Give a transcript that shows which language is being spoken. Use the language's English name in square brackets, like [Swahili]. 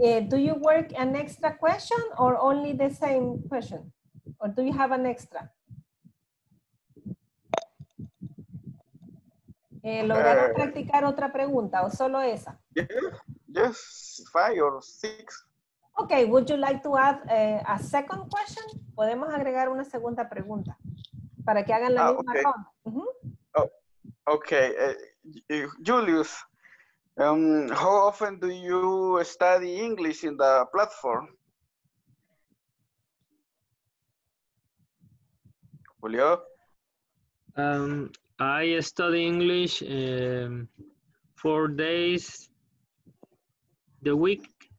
[English] Do you work an extra question or only the same question? Or do you have an extra? [Spanish] ¿Lograron practicar otra pregunta o solo esa? [English] Yes, 5 or 6. Okay, would you like to add a second question? [Spanish] Podemos agregar una segunda pregunta para que hagan la misma ronda. [English] Okay. Uh-huh. Okay. Julius, how often do you study English in the platform? Julio? I study English 4 days the week.